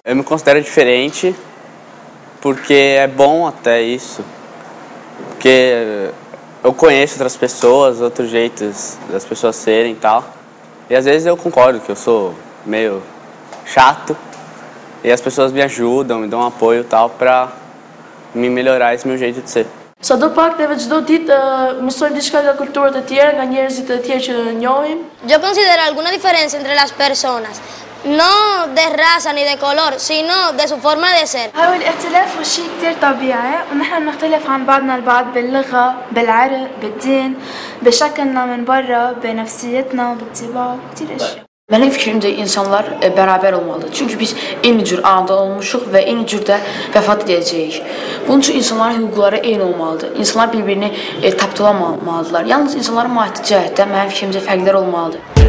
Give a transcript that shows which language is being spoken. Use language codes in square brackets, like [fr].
[pt] Eu me considero diferente porque é bom até isso, porque eu conheço outras pessoas, outros jeitos das pessoas serem e tal. E às vezes eu concordo que eu sou meio chato e as pessoas me ajudam, me dão apoio e tal para me melhorar esse meu jeito de ser. [sq] Sa do pak dhe çdo ditë mësojmë diçka nga kulturat e tjera, nga njerëzit e tjerë që njohim. [es] Yo considero alguna diferencia entre las personas, no de raza ni de color, sino de su forma de ser. [ar] هو الاختلاف هو شيء كثير طبيعي ونحن بنختلف عن بعضنا البعض باللغة، بالعرق، بالدين، بشكلنا من برا، بنفسيتنا، بالطباع، كثير اشياء. [az] Mənim fikrimcə insanlar bərabər olmalıdır. Çünki biz eyni cür anadan olmuşuq və eyni cür də vəfat edəcəyik. Bunun üçün insanların hüquqları eyni olmalıdır. İnsanlar bir-birini tapdalamamalıdırlar. Yalnız insanların maddi cəhətdən mənim fikrimcə fərqlər olmalıdır.